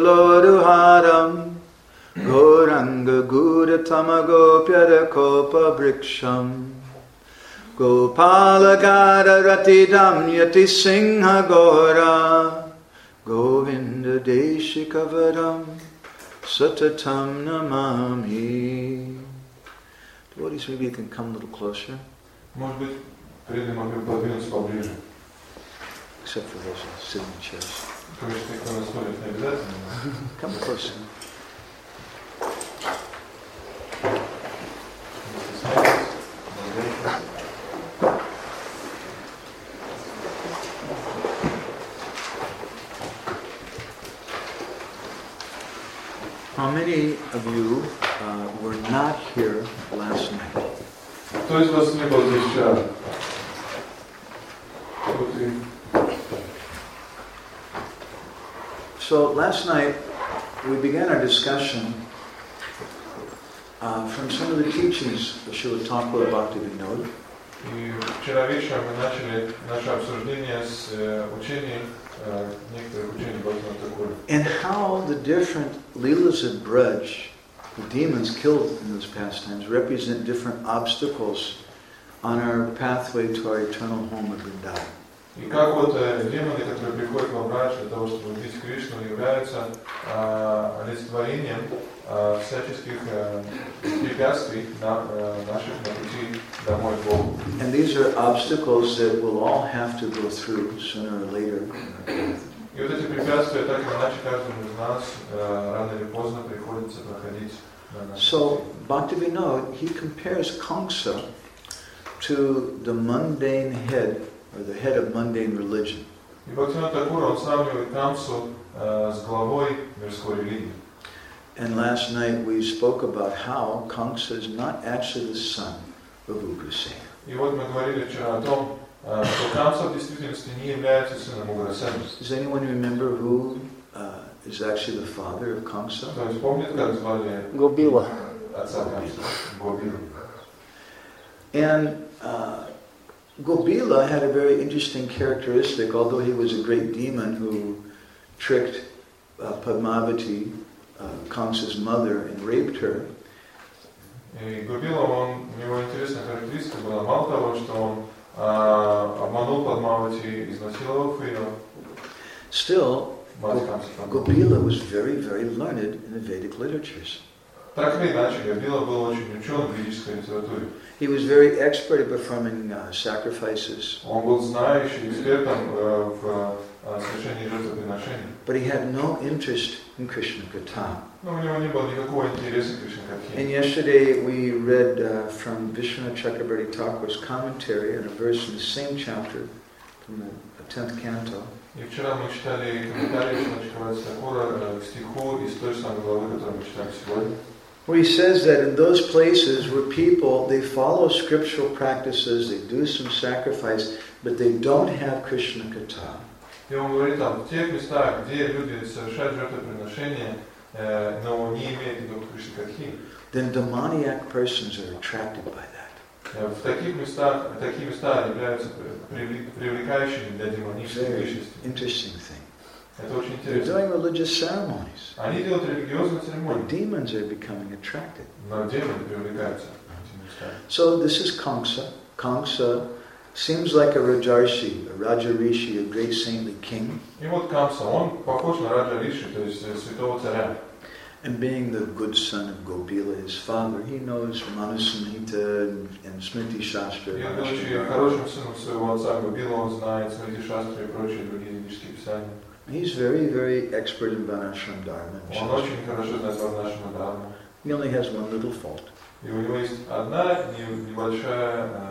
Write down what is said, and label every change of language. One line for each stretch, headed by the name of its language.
English: Кура-граганья-гана-гоча-голо-ру-харам Горанга-гура-тама-го-пя-ра-ко-па-брикшам Гопала-гара-рати-дам-яти-сингха-гора Говинда-деши-каварам Сататам-намам-и. Devotees, maybe you can come a little closer.
Russian: Может быть, преды могли бы подвинуться поближе.
English: Except for those sitting in chairs. Come closer. How many of you were not here last night?
Russian: Кто из вас не был здесь вчера?
English: So last night we began our discussion from some of the teachings of Śrīla Thakura Bhaktivinoda.
Russian: И вчера вечером мы начали наше обсуждение с учений некоторых учений Бхактивинода Тхакура.
English: And how the different leelas of Braj, the demons killed in those pastimes, represent different obstacles on our pathway to our eternal home of Vrindavan.
Russian: И как вот демоны, которые приходят во Брадж для того, чтобы убить Кришну, являются олицетворением всяческих препятствий наших на пути домой к Богу.
English: And these are obstacles that we'll all have to go through sooner or later.
Russian: И вот эти препятствия, так или иначе, каждому из нас рано или поздно приходится проходить.
English: So, Bhaktivinoda, he compares Kamsa to the mundane head or the head of mundane religion.
Russian: И Бхактивинода Тхакура он сравнивает Камсу с главой мирской религии.
English: And last night we spoke about how Kamsa is not actually the son of Ugrasena.
Russian: И вот мы говорили вчера о том, что Камса в действительности не является сыном Уграсена.
English: Does anyone remember who is actually the father of Kamsa?
Russian: То есть помнит, как звали Гобила. Отца Камса. Гобила.
English: And Gobila had a very interesting characteristic, although he was a great demon who tricked Padmavati, Kamsa's mother, and raped her.
Russian: Gobila, он, у него интересная характеристика была, мало того, что он обманул Padmavati, изнасиловав ее.
English: Still, Gobila was very, very learned in the Vedic literatures.
Russian: Так или иначе, Габила был очень учен в ведической литературе.
English: He was very expert at performing sacrifices.
Russian: Он был знающим экспертом в совершении жертвоприношений.
English: But he had no interest in Krishna Katha.
Russian: Но у него не было никакого интереса к Кришна Катхе.
English: And yesterday we read from Vishnu Chakrabarti Thakura's commentary on a verse in the same chapter from the 10th canto.
Russian: И вчера мы читали комментарий Vishnu Chakrabarti Thakura к стиху из той самой главы, которую мы читаем сегодня.
English: Where he says that in those places where people, they follow scriptural practices, they do some sacrifice, but they don't have Krishna Katha.
Russian: И он говорит там, в тех местах, где люди совершают жертвоприношения, но не имеют никакого Кришна Катхи.
English: Then demoniac persons are attracted by that.
Russian: В таких местах, такие места являются привлекающими для демонических веществ.
English: Interesting thing.
Russian: Это очень интересно.
English: They're doing religious ceremonies.
Russian: Они делают религиозные церемонии.
English: But demons are becoming attracted.
Russian: Но демоны привлекаются.
English: So this is Kamsa. Kamsa seems like a Rajarshi, a Raja Rishi, a great saintly king.
Russian: И вот Kamsa, он похож на Раджа Риши, то есть святого царя.
English: And being the good son of Gobila, his father, he knows Manusmita and Smriti Shastra.
Russian: И он будучи хорошим сыном своего отца Гобила, он знает Смриti Shastra и прочие другие ведические писания.
English: He's very, very expert in Vanashram Dharma.
Russian: Он очень хорошо знает Ванашрама Дхарму.
English: He only has one little fault.
Russian: И у него есть одна небольшая